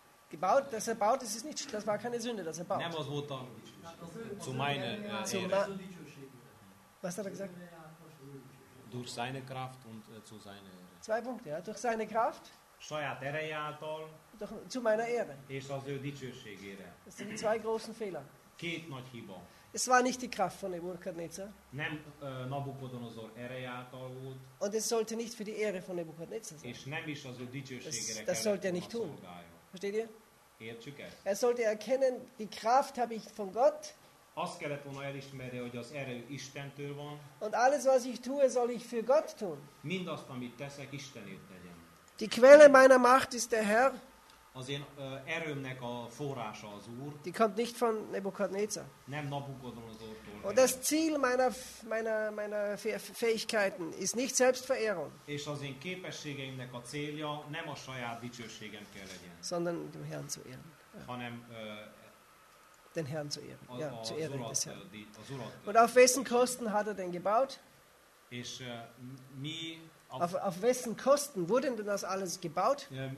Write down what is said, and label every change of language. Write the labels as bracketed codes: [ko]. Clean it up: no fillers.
[de] Gebaut, dass er baut, das ist nicht, das war keine Sünde, dass er baut. [hu] Nem az volt a, [de] zu meiner Ehre. Was hat er gesagt? Durch seine Kraft und zu seiner Ehre. Zwei Punkte, ja. Durch seine Kraft. [hu] Saját ereje által. [de] Zu meiner Ehre. [hu] És az ő dicsőségére. [de] Das sind zwei großen Fehler. [hu] Két nagy hiba. [de] Es war nicht die Kraft von Nebukadnezar. [hu] Nem Nabukodonozor ereje által volt. [de] Und es sollte nicht für die Ehre von Nebukadnezar sein. [hu] És nem is az ő dicsőségére. [de] Das sollte er nicht tun. Versteht ihr? [hu] Értsük ezt. [de] Er sollte erkennen, die Kraft habe ich von Gott. [hu] Azt kellett volna elismerni, hogy az erő Istentől van. [de] Und alles, was ich tue, soll ich für Gott tun. [hu] Mindazt, amit teszek, Istenért tegyem. [de] Die Quelle meiner Macht ist der Herr. [hu] Az én erőmnek a forrása az Úr. [de] Die kommt nicht von Nebukadnezar. [hu] Nem Nabukodonosortól. [de] Und das Ziel meiner Fähigkeiten ist nicht Selbstverehrung. [hu] És az én képességeimnek a célja nem a saját dicsőségem kell legyen. [de] Sondern dem Herrn zu ehren. [hu] Hanem [de] den Herrn zu ehren. Ja, zu ehren des Herrn. [hu] Az Urat. [de] Und auf wessen Kosten hat er denn gebaut? [hu] És mi [de] auf wessen Kosten wurde denn das alles gebaut?